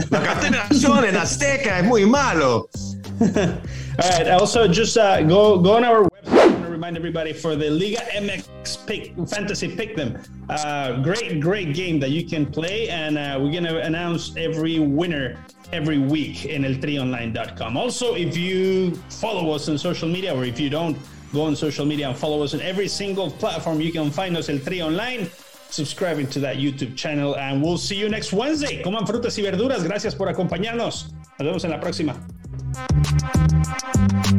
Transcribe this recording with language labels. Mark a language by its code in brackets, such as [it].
[es] La contaminación en Azteca es muy malo. [en] All right. Also, just go on our website. Remind everybody for the Liga MX pick, fantasy pick them. Great game that you can play, and we're gonna announce every winner every week in eltrionline.com. Also, if you follow us on social media, or if you don't, go on social media and follow us on every single platform you can find us, El Tri Online, subscribing to that YouTube channel, and we'll see you next Wednesday. [es] Coman frutas y verduras. Gracias por acompañarnos. Nos vemos en la próxima.